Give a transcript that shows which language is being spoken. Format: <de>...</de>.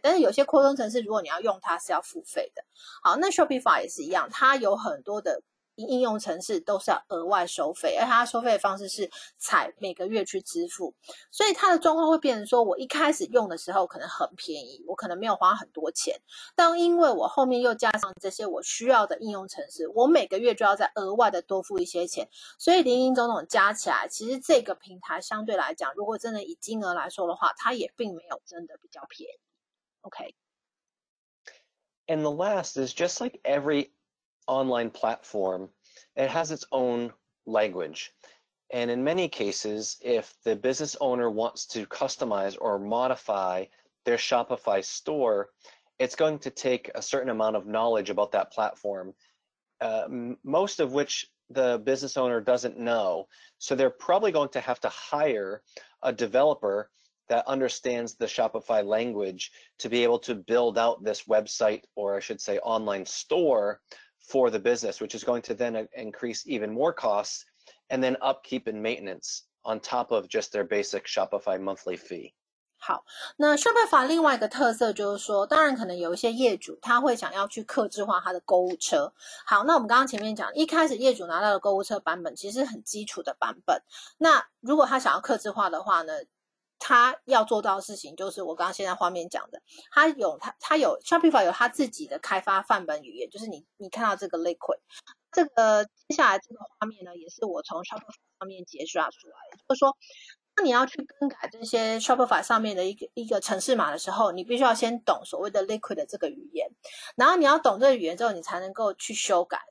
<zh>但是有些扩充程式如果你要用它是要付费的。好，那 Shopify 也是一样，它有很多的应用程式都是要额外收费，而它收费的方式是采每个月去支付，所以它的状况会变成说，我一开始用的时候可能很便宜，我可能没有花很多钱，但因为我后面又加上这些我需要的应用程式，我每个月就要再额外的多付一些钱，所以零零总总加起来，其实这个平台相对来讲，如果真的以金额来说的话，它也并没有真的比较便宜。</zh> <en>OK, and the last is just like everyonline platform, it has its own language. And in many cases, if the business owner wants to customize or modify their Shopify store, it's going to take a certain amount of knowledge about that platform, most of which the business owner doesn't know. So they're probably going to have to hire a developer that understands the Shopify language to be able to build out this website, or I should say online store,for the business, which is going to then increase even more costs, and then upkeep and maintenance on top of just their basic Shopify monthly fee.</en> <zh>好，那 Shopify 另外一个特色就是说，当然可能有一些业主他会想要去客制化他的购物车。好，那我们刚刚前面讲，一开始业主拿到的购物车版本其实很基础的版本，那如果他想要客制化的话呢，他要做到的事情就是我刚刚现在画面讲的，他有 Shopify 有他自己的开发范本语言，就是你看到这个 Liquid, 这个接下来这个画面呢也是我从 Shopify 上面截取出来的，就是说当你要去更改这些 Shopify 上面的一个程式码的时候，你必须要先懂所谓的 Liquid 的这个语言，然后你要懂这个语言之后你才能够去修改。</zh>